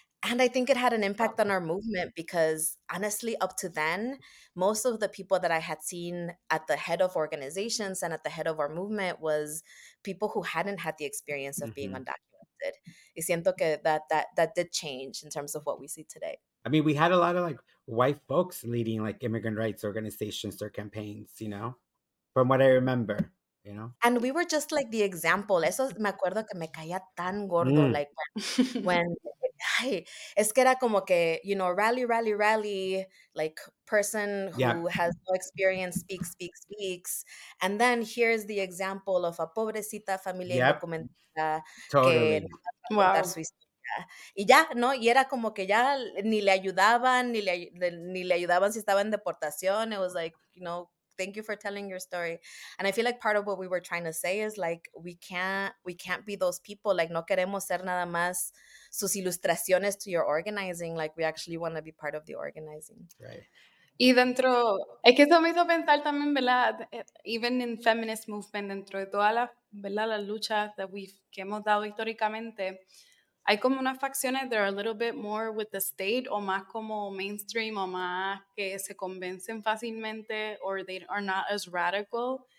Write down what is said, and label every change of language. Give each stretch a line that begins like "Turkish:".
English: And I think it had an impact on our movement because honestly, up to then, most of the people that I had seen at the head of organizations and at the head of our movement was people who hadn't had the experience of being undocumented.
Spanish: Y siento que
English: that did change in terms of what we see today. I mean, we had a lot of like white folks leading like immigrant rights organizations or campaigns, you know, from what I remember. You know? And we were just like the example.
Spanish: Eso me acuerdo que me caía tan gordo.
English: Like when, ay,
Spanish: es que era como que,
English: you know, rally, like person who has no experience, speaks. And then here's the example of a
Spanish: pobrecita familia indocumentada. Y ya, ¿no? Y era como que ya ni le ayudaban si estaba en deportación.
English: It was like, you know, thank you for telling your story. And I feel like part of what we were trying to say is like, we can't be those people.
Spanish: Like, no queremos ser nada más sus ilustraciones
English: to your organizing. Like, we actually want to be part of the organizing. Right.
Spanish: Y dentro, es que eso me hizo pensar también, ¿verdad?
English: Even in feminist movement,
Spanish: dentro de todas las luchas that que hemos dado históricamente, hay como unas facciones
English: that are a little bit more with the state
Spanish: o más como mainstream o más que se convencen fácilmente
English: or they are not as radical.